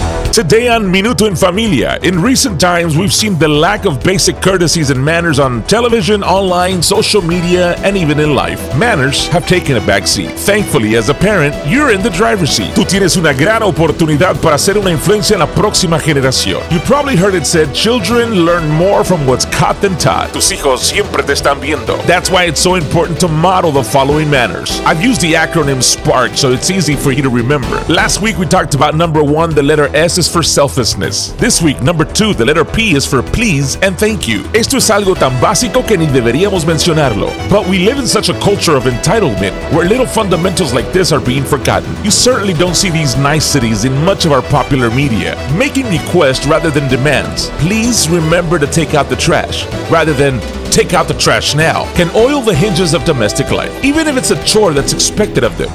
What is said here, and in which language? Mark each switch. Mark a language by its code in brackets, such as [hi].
[en] Today on Minuto en Familia, in recent times we've seen the lack of basic courtesies and manners on television, online, social media, and even in life. Manners have taken a backseat. Thankfully, as a parent, you're in the driver's seat. [es] Tú tienes una gran oportunidad para hacer una influencia en la próxima generación. [en] You probably heard it said, children learn more from what's caught than taught. [es] Tus hijos siempre te están viendo. [en] That's why it's so important to model the following manners. I've used the acronym SPARK so it's easy for you to remember. Last week we talked about number one, the letter S is for selflessness. This week, number two, the letter P is for please and thank you. [es] Esto es algo tan básico que ni deberíamos mencionarlo. [en] But we live in such a culture of entitlement where little fundamentals like this are being forgotten. You certainly don't see these niceties in much of our popular media. Making requests rather than demands. Please remember to take out the trash rather than take out the trash now can oil the hinges of domestic life, even if it's a chore that's expected of them.